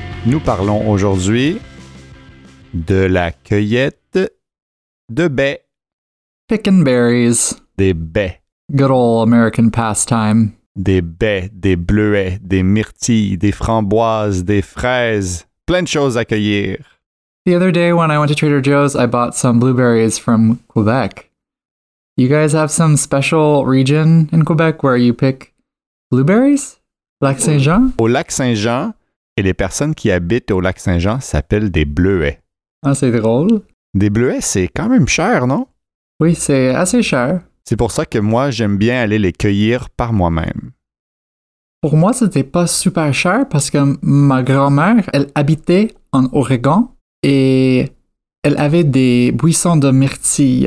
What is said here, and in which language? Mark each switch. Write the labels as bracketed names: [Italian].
[French] Nous parlons aujourd'hui de la cueillette de baies. [English] Picking berries. [French] Des baies. [English] Good old American pastime. [French] Des baies, des bleuets, des myrtilles, des framboises, des fraises. Plein de choses à cueillir. [English] The other day when I went to Trader Joe's, I bought some blueberries from Quebec. You guys have some special region in Quebec where you pick blueberries? [French] Lac Saint-Jean? Au Lac Saint-Jean, et les personnes qui habitent au Lac Saint-Jean s'appellent des bleuets. Ah, c'est drôle. Des bleuets, c'est quand même cher, non? Oui, c'est assez cher. C'est pour ça que moi, j'aime bien aller les cueillir par moi-même. Pour moi, c'était pas super cher parce que ma grand-mère, elle habitait en Oregon et elle avait des buissons de myrtilles.